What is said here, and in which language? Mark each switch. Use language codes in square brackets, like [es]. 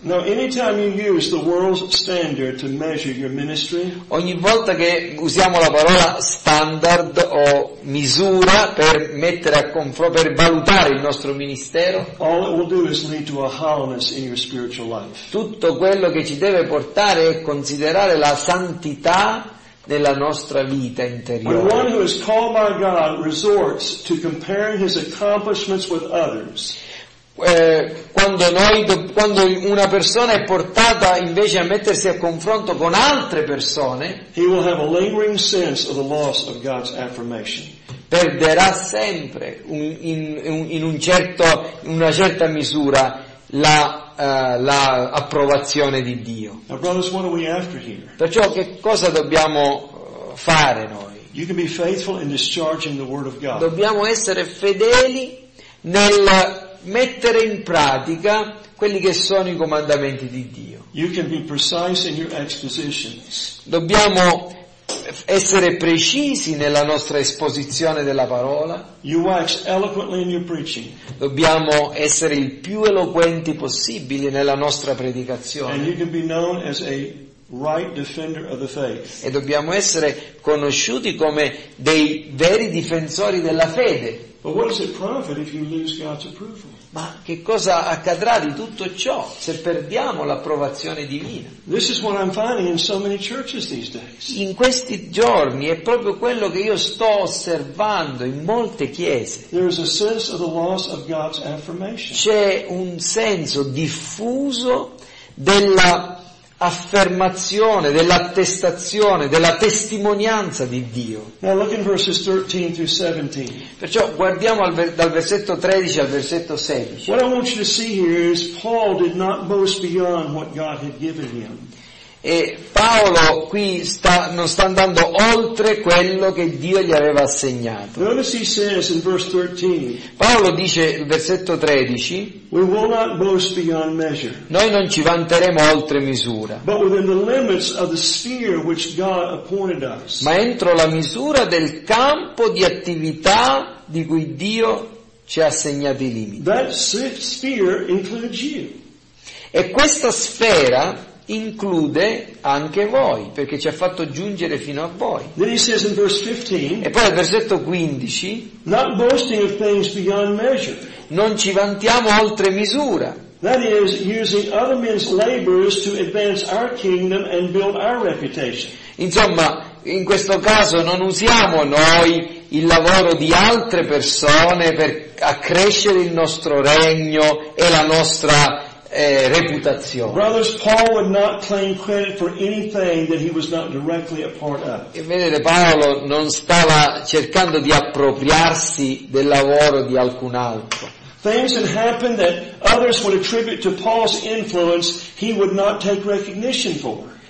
[en] Now, anytime you use the world's standard to measure your ministry, [it] ogni volta che usiamo la parola standard o misura per mettere a confronto, per valutare il nostro ministero, [en] all it will do is lead to a hollowness in your spiritual life. [it] Tutto quello che ci deve portare è considerare la santità nella nostra vita interiore. [en] When one who is called by God resorts to comparing his accomplishments with others, [it] quando una persona è portata invece a mettersi a confronto con altre persone, [en] he will have a lingering sense of the loss of God's affirmation. [it] Perderà sempre in una certa misura la approvazione di Dio. [en] Now brothers, what are we after here? [it] Perciò che cosa dobbiamo fare noi? [en] You can be faithful in discharging the word of God. [it] Dobbiamo essere fedeli nel mettere in pratica quelli che sono i comandamenti di Dio. [en] You can be precise in your expositions. [it] Dobbiamo essere precisi nella nostra esposizione della parola. [en] You wax eloquently in your preaching. [it] Dobbiamo essere il più eloquenti possibile nella nostra predicazione. [en] And you can be known as a right defender of the faith. [it] E dobbiamo essere conosciuti come dei veri difensori della fede. [en] But what does it profit if you lose God's approval? [it] Ma che cosa accadrà di tutto ciò se perdiamo l'approvazione divina? [en] This is what I'm finding in so many churches these days. [it] In questi giorni è proprio quello che io sto osservando in molte chiese. [en] There is a sense of the loss of God's affirmation. [it] C'è un senso diffuso della affermazione, dell'attestazione, della testimonianza di Dio. [en] Now look in verses 13 through 17. [it] Perciò guardiamo dal versetto 13 al versetto 16. [en] What I want you to see here is Paul did not boast beyond what God had given him. [it] E Paolo qui non sta andando oltre quello che Dio gli aveva assegnato. [en] Notice he says in verse 13, [it] Paolo dice nel versetto 13, [en] we will not boast beyond measure, [it] noi non ci vanteremo oltre misura, [en] but within the limits of the sphere which God appointed us, [it] ma entro la misura del campo di attività di cui Dio ci ha assegnato i limiti. [en] That sphere includes you. [it] E questa sfera include anche voi, perché ci ha fatto giungere fino a voi. [en] Then he says in verse 15, [it] e poi al versetto 15, [en] not boasting of things beyond measure, [it] non ci vantiamo oltre misura. [en] That is, using other men's labors to advance our kingdom and build our reputation. [it] Insomma, in questo caso non usiamo noi il lavoro di altre persone per accrescere il nostro regno e la nostra reputazione. [en] Brothers, Paul would not claim credit for anything that he was not directly a part of. [it] E vedete, Paolo non stava cercando di appropriarsi del lavoro di alcun altro. [en] Things had happened that others would attribute to Paul's influence, he would not take recognition for.